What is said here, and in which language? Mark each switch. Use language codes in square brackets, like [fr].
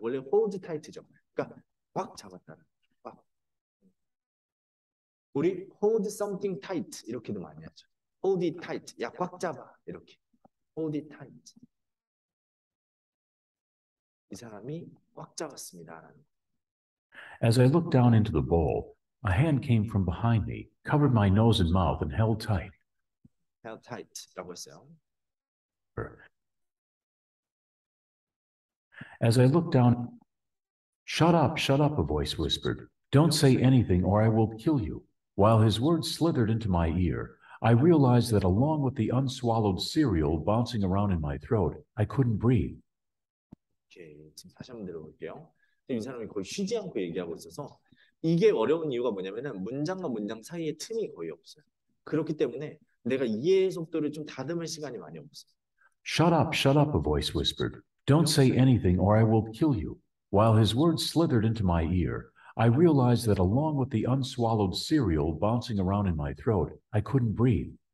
[ko] 원래 hold tight죠. 그러니까 꽉 잡았다는. [en] 우리 hold something tight [ko] 이렇게도 많이 하죠. [en] Hold it tight. [ko] 야, 꽉 잡아. 이렇게. [en] Hold it tight. [ko] 이 사람이 꽉 잡았습니다라는. [en] As I looked down into the bowl, a hand came from behind me, covered my nose and mouth, and held tight. [ko] held tight라고 했어요. [en] As I looked down, shut up, a voice whispered. Don't say anything or I will kill you. While his words slithered into my ear, I realized that along with the unswallowed cereal bouncing around in my throat, I couldn't breathe. [ko] 지금 다시 한번 들어볼게요. 이 사람이 거의 쉬지 않고 얘기하고 있어서 이게 어려운 이유가 뭐냐면은 문장과 문장 사이에 틈이 거의 없어요. 그렇기 때문에 내가 이해의 속도를 좀 다듬을 시간이 많이 없어요. [en] Shut up, a voice whispered. Don't say anything or I will kill you. While his words slithered into my ear, I realized that along with the unswallowed cereal bouncing around in my throat, I couldn't breathe.